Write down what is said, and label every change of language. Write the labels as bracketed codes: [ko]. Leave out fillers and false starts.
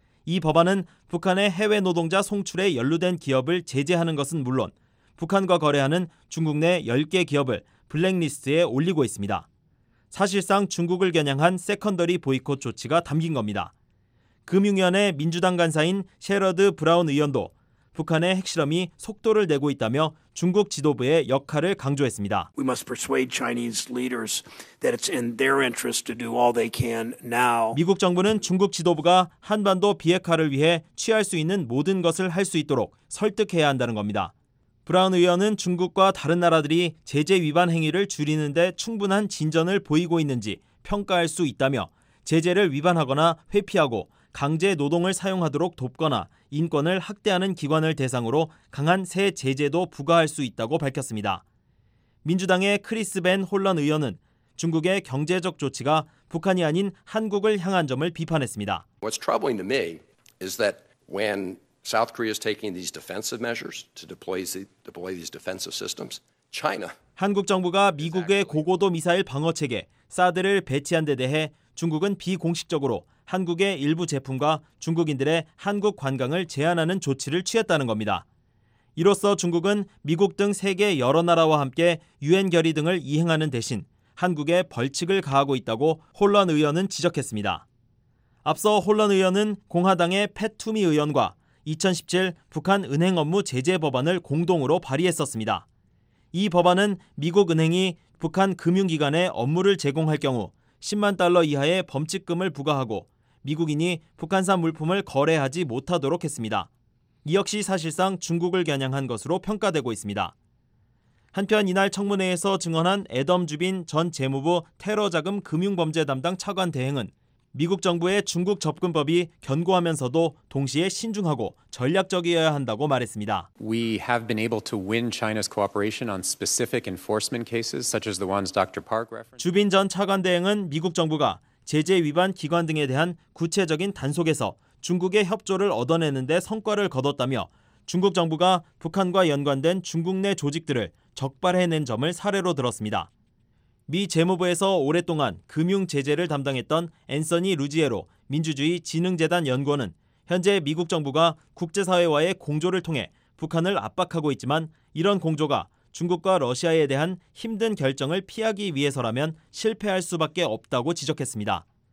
[ko] 이 법안은 북한의 해외 노동자 송출에 연루된 기업을 제재하는 것은 물론 북한과 거래하는 중국 내 10개 기업을 블랙리스트에 올리고 있습니다. 사실상 중국을 겨냥한 세컨더리 보이콧 조치가 담긴 겁니다. 금융위원회 민주당 간사인 셰러드 브라운 의원도 북한의 핵실험이 속도를 내고 있다며 중국 지도부의 역할을 강조했습니다. [en] We must persuade Chinese leaders that it's in their interest to do all they can now. [ko] 미국 정부는 중국 지도부가 한반도 비핵화를 위해 취할 수 있는 모든 것을 할 수 있도록 설득해야 한다는 겁니다. 브라운 의원은 중국과 다른 나라들이 제재 위반 행위를 줄이는 데 충분한 진전을 보이고 있는지 평가할 수 있다며 제재를 위반하거나 회피하고 강제 노동을 사용하도록 돕거나 인권을 학대하는 기관을 대상으로 강한 새 제재도 부과할 수 있다고 밝혔습니다. 민주당의 크리스 벤 홀런 의원은 중국의 경제적 조치가 북한이 아닌 한국을 향한 점을 비판했습니다. [en] What's troubling to me is that when South Korea is taking these defensive measures to deploy these defensive systems, China. [ko] 한국 정부가 미국의 고고도 미사일 방어 체계 사드를 배치한 데 대해 중국은 비공식적으로 한국의 일부 제품과 중국인들의 한국 관광을 제한하는 조치를 취했다는 겁니다. 이로써 중국은 미국 등 세계 여러 나라와 함께 유엔 결의 등을 이행하는 대신 한국에 벌칙을 가하고 있다고 홀런 의원은 지적했습니다. 앞서 홀런 의원은 공화당의 팻 투미 의원과 2017 북한 은행 업무 제재 법안을 공동으로 발의했었습니다. 이 법안은 미국 은행이 북한 금융기관에 업무를 제공할 경우 10만 달러 이하의 범칙금을 부과하고 미국인이 북한산 물품을 거래하지 못하도록 했습니다. 이 역시 사실상 중국을 겨냥한 것으로 평가되고 있습니다. 한편 이날 청문회에서 증언한 애덤 주빈 전 재무부 테러자금 금융범죄 담당 차관 대행은 미국 정부의 중국 접근법이 견고하면서도 동시에 신중하고 전략적이어야 한다고 말했습니다. [en] We have been able to win China's cooperation on specific enforcement cases such as the ones Dr. Park referenced. [ko] 주빈 전 차관 대행은 미국 정부가 제재 위반 기관 등에 대한 구체적인 단속에서 중국의 협조를 얻어내는 데 성과를 거뒀다며 중국 정부가 북한과 연관된 중국 내 조직들을 적발해낸 점을 사례로 들었습니다. 미 재무부에서 오랫동안 금융 제재를 담당했던 앤서니 루지에로 민주주의 진흥재단 연구원은 현재 미국 정부가 국제사회와의 공조를 통해 북한을 압박하고 있지만 이런 공조가 중국과 러시아에 대한 힘든 결정을 피하기 위해서라면 실패할 수밖에 없다고 지적했습니다.